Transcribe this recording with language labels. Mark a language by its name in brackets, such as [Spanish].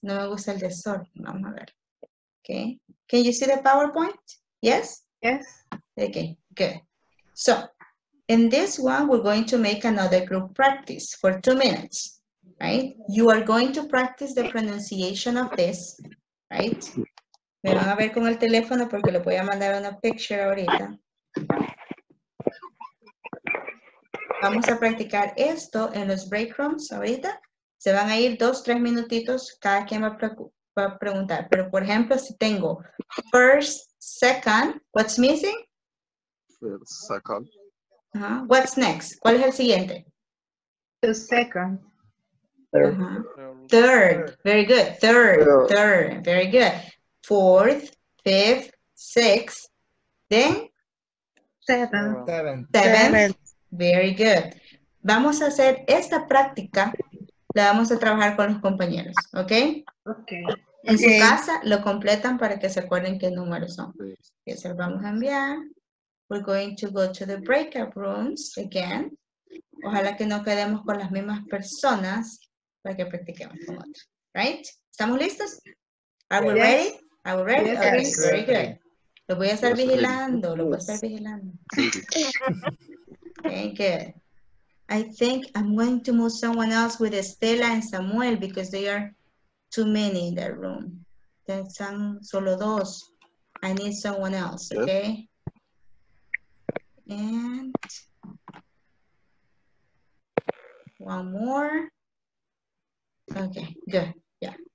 [Spanish] No me gusta el desorden. Vamos a ver. [English] Okay. Can you see the PowerPoint? Yes? Yes. Okay, good. So, in this one, we're going to make another group practice for 2 minutes, right? You are going to practice the pronunciation of this, right? [Spanish] Me van a ver con el teléfono porque le voy a mandar una picture ahorita. Vamos a practicar esto en los break rooms ahorita. Se van a ir 2-3 minutitos, cada quien va a preguntar. Pero, por ejemplo, si tengo [English] first, second, what's missing? First, second. Uh-huh. What's next? [Spanish] ¿Cuál es el siguiente? [English] The second. Uh-huh. Third. Very good. Third. Very good. Fourth, fifth, sixth, then? Seventh. Very good. [Spanish] Vamos a hacer esta práctica, la vamos a trabajar con los compañeros, ¿ok? Ok. En su casa lo completan para que se acuerden qué números son. Y se los vamos a enviar. [English] We're going to go to the breakout rooms again. [Spanish] Ojalá que no quedemos con las mismas personas para que practiquemos con otros. [English] Right? [Spanish] ¿Estamos listos? [English] Are we ready? Are we ready? Okay. Very good. [Spanish] Lo voy a estar vigilando, lo voy a estar vigilando. [English] Thank you. I think I'm going to move someone else with Estela and Samuel because they are too many in that room. [Spanish] Están solo dos. [English] I need someone else, okay? And one more. Okay, good. Yeah.